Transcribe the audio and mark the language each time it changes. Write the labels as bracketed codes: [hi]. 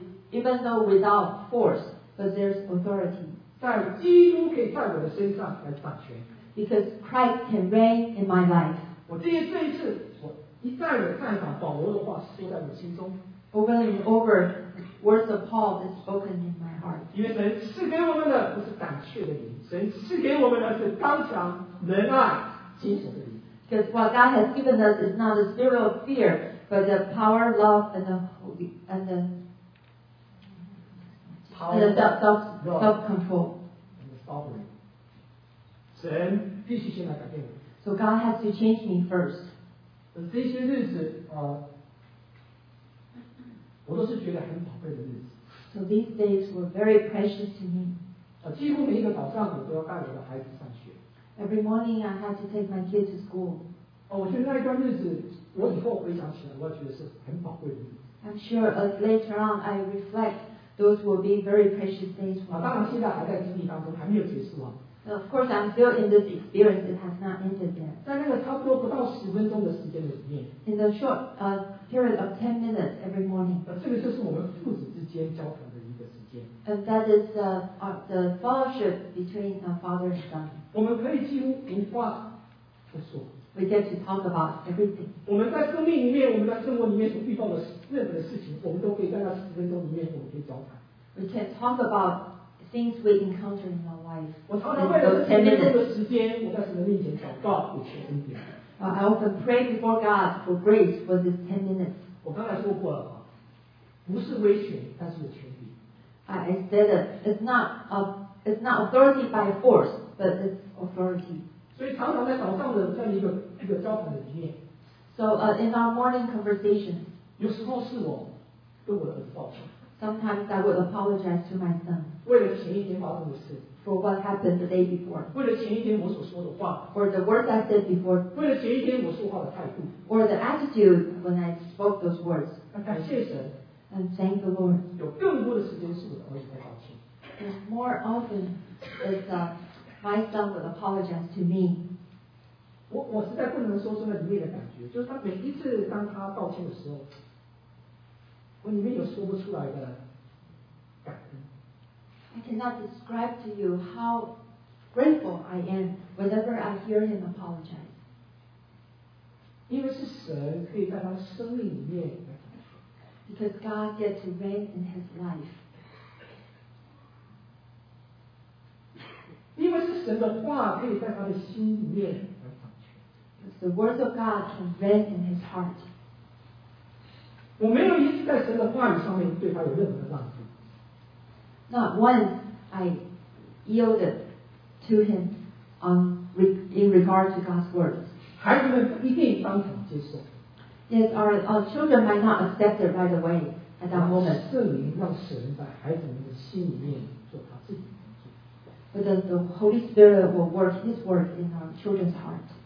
[en] Even though without force, but there's authority. [zh] 在基督可以在我的身上来掌权。 [en] Because Christ can reign in my life. [zh] 我这一次我一再的看法保罗的话说在我心中。 [en] Over and over, words of Paul is spoken in my heart. [zh] 因为神赐给我们的不是胆怯的灵，神赐给我们的是刚强、仁爱、谨守的灵。 [en] Because what God has given us is not a spirit of fear, but the power, love, and the holy, and the power, and the self-control. And the sovereign. [zh] 神必须先来改变我。 [en] So God has to change me first. [zh] 这些日子啊，我都是觉得很宝贵的日子。 [en] So these days were very precious to me. [zh] 几乎每一个早上我都要带我的孩子上学。 [en] Every morning I had to take my kids to school. [zh] 我觉得那一段日子，我以后回想起来，我觉得是很宝贵的日子。 [en] I'm sure as later on I reflect, those will be very precious days for me. [zh] 当然现在还在经历当中，还没有结束啊。 [en] Of course, I'm still in this experience. It has not ended yet. [zh] 在那个差不多不到十分钟的时间里面 [en] ，in the short period of 10 minutes every morning. [zh] 这个就是我们父子之间交谈的一个时间。 [en] And that is the fellowship between a father and son. [zh] 我们可以几乎无话不说。 [en] We get to talk about everything. [zh] 我们在生命里面，我们在生活里面所遇到的任何的事情，我们都可以在那十分钟里面，我们可以交谈。 [en] We can talk about. Things we encounter in our life. I often pray before God for grace for this 10 minutes. [zh] 我刚才说过了，不是威权，但是有权柄。 [en] I said that it's not authority by force, but it's authority. [zh] 所以常常在早上的这样一个交谈的里面。 [en] So in our morning conversation, [zh] 有时候是我跟我的儿子抱歉。 [en] Sometimes I would apologize to my son. [zh] 为了前一天发生的事。 [en] For what happened the day before. [zh] 为了前一天我所说的话。 [en] For the words I said before. [zh] 为了前一天我说话的态度。 [en] Or the attitude when I spoke those words. [zh] 感谢神。 [en] And thank the Lord. [zh] 有更多的时间是我的儿子在道歉。 [en] More often is my son would apologize to me. [zh] 我实在不能说出那里面的感觉，就是他每一次当他道歉的时候。我里面有说不出来的感恩。 [en] I cannot describe to you how grateful I am whenever I hear him apologize. [zh] 因为是神可以在他生命里面。 [en] Because God gets to reign in his life. [zh] 因为是神的话可以在他的心里面。 [en] Because the words of God can reign in his heart. [zh] 我没有一次在神的话语上面对他有任何的浪费。 [en] Not once I yielded to him in regard to God's words. [zh] 孩子们不一定当场接受。 [en] Yes, our children might not accept it right away at that moment. [zh] 圣灵让神在孩子们的心里面做他自己的工作。 [en] But the Holy Spirit will work His word in our children's heart.